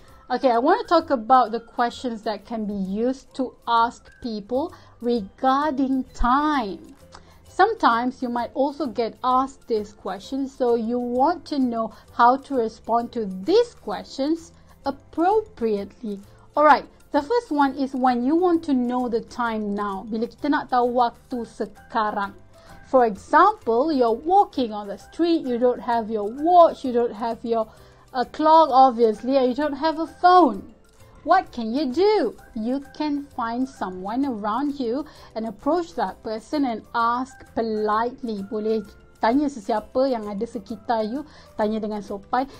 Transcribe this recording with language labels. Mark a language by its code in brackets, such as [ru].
[en] Okay, I want to talk about the questions that can be used to ask people regarding time. Sometimes you might also get asked this question, so you want to know how to respond to these questions appropriately. All right. The first one is when you want to know the time now. [ms] Bila kita nak tahu waktu sekarang. [en] For example, you're walking on the street, you don't have your watch, you don't have your clock, obviously, and you don't have a phone. What can you do? You can find someone around you and approach that person and ask politely. [ms] Boleh tanya sesiapa yang ada sekitar you, tanya dengan sopan.